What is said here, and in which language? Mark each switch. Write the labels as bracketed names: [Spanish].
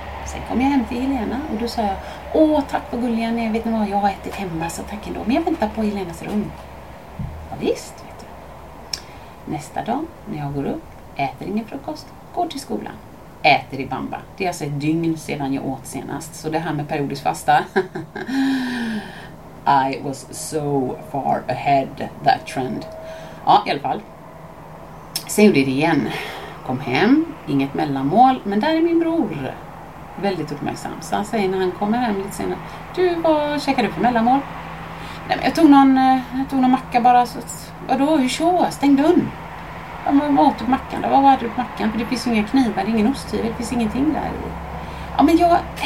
[Swedish] Sen kom jag hem till Helena och då sa jag: åh tack vad gulliga ni, vet ni vad, jag har ätit hemma så tack ändå, men jag väntar på Helenas rum. Ja visst. Nästa dag när jag går upp, äter ingen frukost, går till skolan, äter i bamba. Det är alltså ett dygn sedan jag åt senast, så det här med periodisk fasta. [English] I was so far ahead that trend. [Swedish] Ja, i alla fall. Sen gjorde det igen. Kom hem, inget mellanmål, men där är min bror. Väldigt uppmärksam. Så han säger när han kommer hem lite senare: du, vad käkar du för mellanmål? Nej, men jag tog någon macka bara. Så vadå, hur så? Stäng dun. Ja, men vad åt du på mackan då? Vad var du på mackan? För det finns inga knivar, ingen ost i, det finns ingenting där i. Ja, men jag...